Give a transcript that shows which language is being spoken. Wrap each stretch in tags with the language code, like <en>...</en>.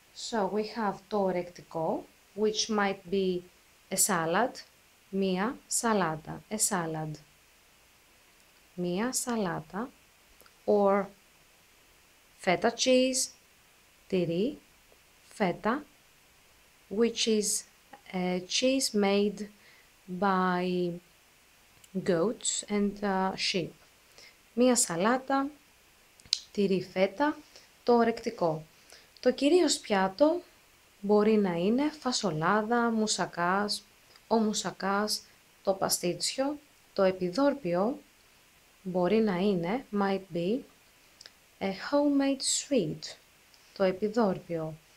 <en>So we have</en> <el>το ορεκτικό,</el> <en>which might be a salad,</en> <el>μία σαλάτα,</el> <en>a salad.</en> <el>Μία σαλάτα,</el> <en>or feta cheese,</en> <el>τυρί.</el> <en>Feta, which is a cheese made by goats and sheep.</en> <el>Μία σαλάτα, τυρί φέτα, το ορεκτικό. Το κυρίως πιάτο μπορεί να είναι φασολάδα, μουσακάς, ο μουσακάς, το παστίτσιο. Το επιδόρπιο μπορεί να είναι,</el> <en>might be, a homemade sweet,</en> <el>το επιδόρπιο.</el>